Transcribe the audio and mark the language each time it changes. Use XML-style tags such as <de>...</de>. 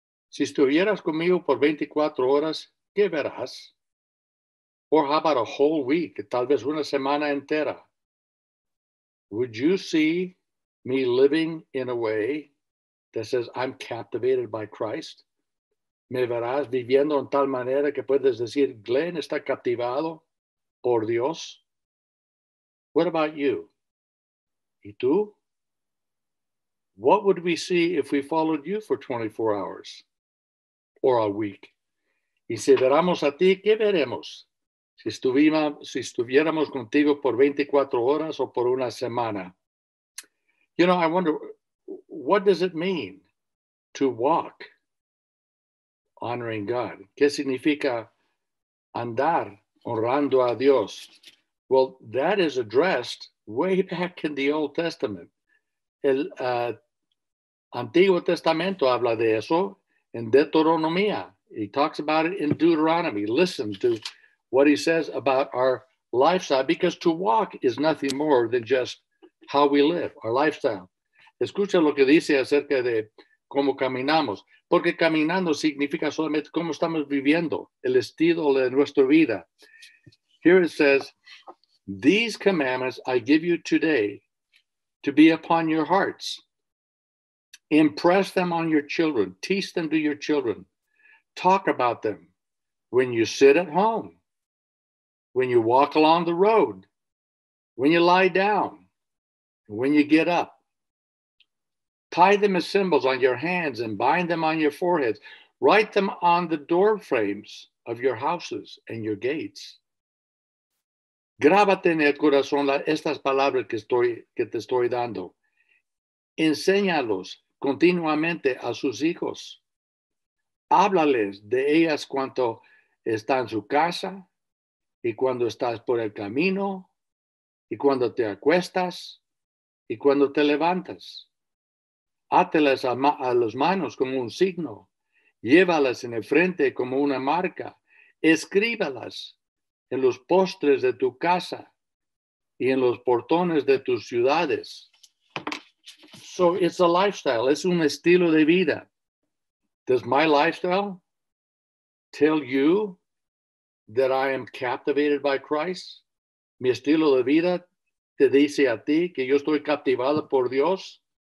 <es>Si estuvieras conmigo por 24 horas, ¿qué verás?</es> <en>Or how about a whole week,</en> <es>tal vez una semana entera?</es> <en>Would you see me living in a way that says I'm captivated by Christ?</en> <es>¿Me verás viviendo en tal manera que puedes decir, Glenn está captivado por Dios?</es> <en>What about you?</en> <es>¿Y tú?</es> <en>What would we see if we followed you for 24 hours or a week?</en> <es>¿Y si veramos a ti, qué veremos? Si estuviéramos contigo por 24 horas o por una semana.</es> <en>You know, I wonder, what does it mean to walk honoring God?</en> <es>¿Qué significa andar honrando a Dios?</es> <en>Well, that is addressed way back in the Old Testament.</en> <es>El Antiguo Testamento habla de eso en Deuteronomía.</es> <en>He talks about it in Deuteronomy. Listen to what he says about our lifestyle, because to walk is nothing more than just how we live, our lifestyle.</en> <es>Escucha lo que dice acerca de cómo caminamos, porque caminando significa solamente cómo estamos viviendo, el estilo de nuestra vida.</es> <en>Here it says, these commandments I give you today to be upon your hearts. Impress them on your children. Teach them to your children. Talk about them when you sit at home, when you walk along the road, when you lie down, when you get up. Tie them as symbols on your hands and bind them on your foreheads. Write them on the door frames of your houses and your gates.</en> <es>Grábate en el corazón estas palabras que te estoy dando. Enséñalos continuamente a sus hijos. Háblales de ellas cuando está en su casa, y cuando estás por el camino, y cuando te acuestas, y cuando te levantas. Áteles a las manos como un signo. Llévalas en el frente como una marca. Escríbalas en los postres de tu casa y en los portones de tus ciudades.</es> <en>So it's a lifestyle.</en> <es>Es un estilo de vida.</es> <en>Does my lifestyle tell you that I am captivated by Christ?</en> <es>Mi estilo de vida te dice a ti que yo estoy captivado por Dios?</es>